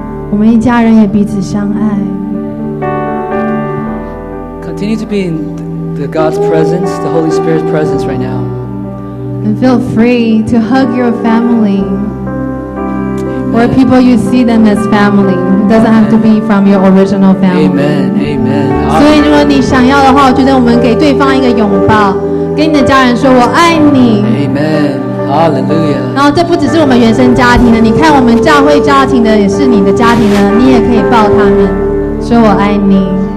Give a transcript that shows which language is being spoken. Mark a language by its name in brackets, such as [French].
[Chinese] 我们一家人也彼此相爱 [English] Continue to be in the God's presence The Holy Spirit's presence right now And feel free to hug your family、 Amen. Or people you see them as family It doesn't、 Amen. have to be from your original family Amen [Chinese] 所以如果你想要的话我觉得我们给对方一个拥抱跟你的家人说我爱你 [English] AmenHallelujah. [Chinese] 然后这不只是我们原生家庭的，你看我们教会家庭的也是你的家庭的，你也可以抱他们，说我爱你。